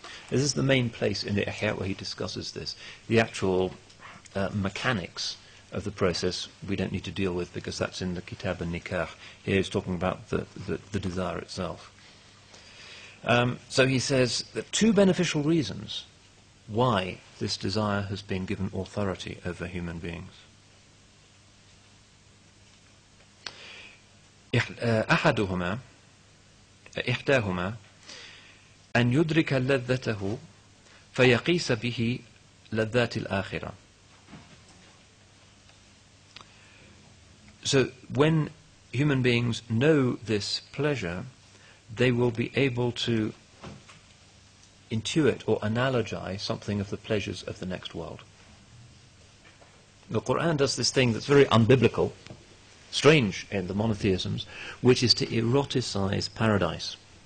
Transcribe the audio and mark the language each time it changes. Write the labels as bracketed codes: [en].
[en] This is the main place in the Ihya where he discusses this. The actual mechanics of the process we don't need to deal with, because that's in the Kitab al-Nikah. Here he's talking about the desire itself. So he says that two beneficial reasons why this desire has been given authority over human beings. [ar] أحدهما إحداهما أن يدرك لذته فيقيس به لذات الآخرة. [en] So when human beings know this pleasure, they will be able to intuit or analogize something of the pleasures of the next world. The Quran does this thing that's very unbiblical, strange in the monotheisms, which is to eroticize paradise.